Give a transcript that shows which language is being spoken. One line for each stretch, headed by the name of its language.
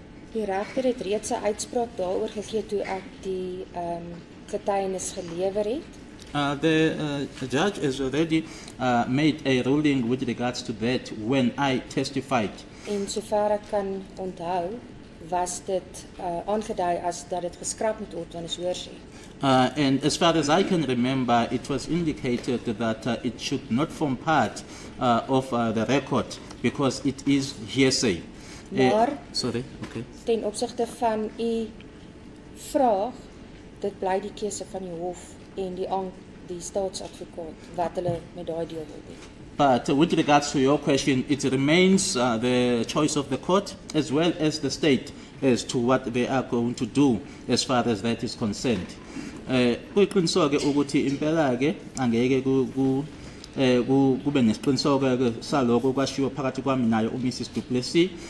Afrikaans: Die regter het reeds 'n uitspraak daaroor gegee toe ek die getuienis gelewer het.
English: The judge has already made a ruling with regards to that when I testified.
Afrikaans: En sover ek kan onthou, was dit aangedui as dat dit geskrap moet word wanneer ons hoor sê.
English: And as far as I can remember, it was indicated that it should not form part of the record because it is hearsay.
Afrikaans: Maar,
English: sorry, okay.
Afrikaans: Ten opsigte van u vraag, dit bly die keuse van die hof en die staatsadvokaat wat hulle met daai deel wil doen.
English: But with regards to your question, it remains the choice of the court as well as the state as to what they are going to do as far as that is concerned.
Zulu: Kuqinisoke ukuthi impela ke angeke kube nesiqiniseko saloko kwashiwo phakathi kwami nayo uMrs. Du Plessis.